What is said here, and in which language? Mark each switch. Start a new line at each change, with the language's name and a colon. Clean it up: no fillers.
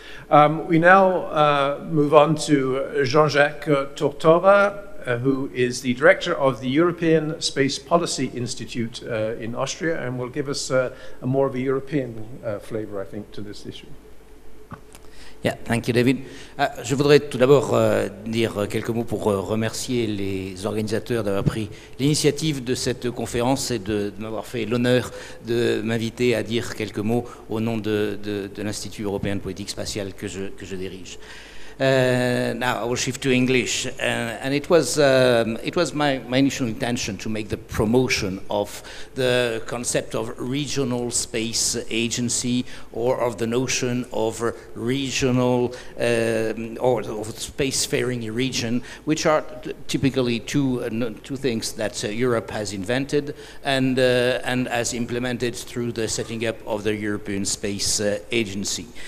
English: We now move on to Jean-Jacques Tortora, who is the director of the European Space Policy Institute in Austria, and will give us a more of a European flavor, I think, to this issue. Yeah, thank you, David.
French: Je voudrais tout d'abord dire quelques mots pour remercier les organisateurs d'avoir pris l'initiative de cette conférence et de m'avoir fait l'honneur de m'inviter à dire quelques mots au nom de l'Institut européen de politique spatiale que je dirige.
English: Now I will shift to English, and it was my initial intention to make the promotion of the concept of regional space agency, or of the notion of regional or of spacefaring region, which are typically two things that Europe has invented and has implemented through the setting up of the European Space Agency.